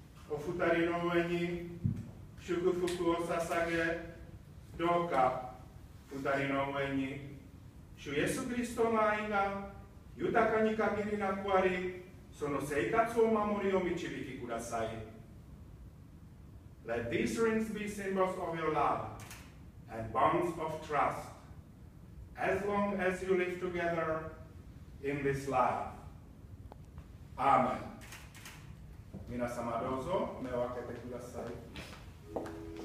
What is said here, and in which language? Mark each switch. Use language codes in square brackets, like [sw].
[ja] お二人の上に祝福を捧げ、どうか二人の上に主イエス・キリストの愛が豊かに限りなくあり、その生活を守りを導きください。 [en] Let these rings be symbols of your love and bonds of trust as long as you live together in this life. Amen. [ja] 皆様どうぞ目を開けてください。